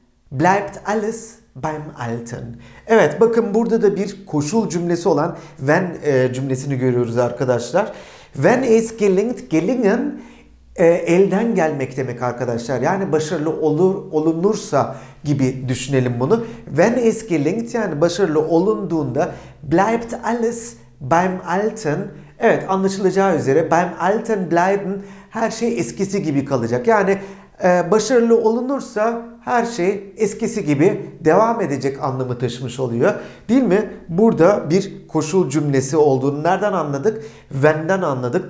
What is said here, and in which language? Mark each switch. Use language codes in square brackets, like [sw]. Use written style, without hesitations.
[de] Bleibt alles beim Alten. [tr] Evet, bakın burada da bir koşul cümlesi olan wenn cümlesini görüyoruz arkadaşlar. [de] Wenn es gelingt, [tr] gelingen elden gelmek demek arkadaşlar. Yani başarılı olur, olunursa gibi düşünelim bunu. [de] Wenn es gelingt, [tr] yani başarılı olunduğunda [de] bleibt alles beim Alten. [tr] Evet, anlaşılacağı üzere [de] beim Alten bleiben, [tr] her şey eskisi gibi kalacak. Yani başarılı olunursa her şey eskisi gibi devam edecek anlamı taşımış oluyor. Değil mi? Burada bir koşul cümlesi olduğunu nereden anladık? Wenn'den anladık.